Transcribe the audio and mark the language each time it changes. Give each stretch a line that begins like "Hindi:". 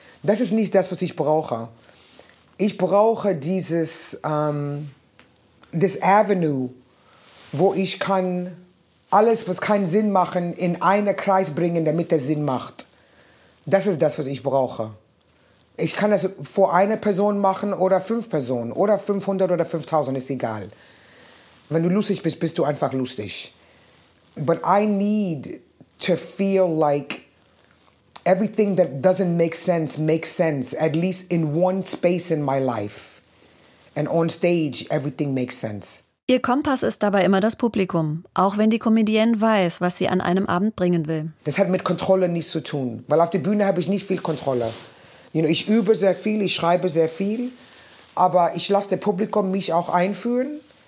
German: Das ist nicht das, was ich brauche. Ich brauche dieses das Avenue, wo ich kann alles, was keinen Sinn macht, in einen Kreis bringen, damit es Sinn macht. Das ist das, was ich brauche. Ich kann das vor einer Person machen oder 5 Personen oder 500 oder 5000, ist egal. Wenn du lustig bist, bist du einfach lustig.
English: But I need to feel like everything that doesn't make sense, at least in one space in my life. And on stage, everything makes sense.
German: Ihr Kompass ist dabei immer das Publikum, auch wenn die Comedienne weiß, was sie an einem Abend bringen will. Das hat mit Kontrolle nichts zu tun, weil auf der Bühne habe ich nicht viel Kontrolle.
English: You know,
German: ich übe sehr viel, ich schreibe sehr viel, aber ich lasse das Publikum mich auch einführen.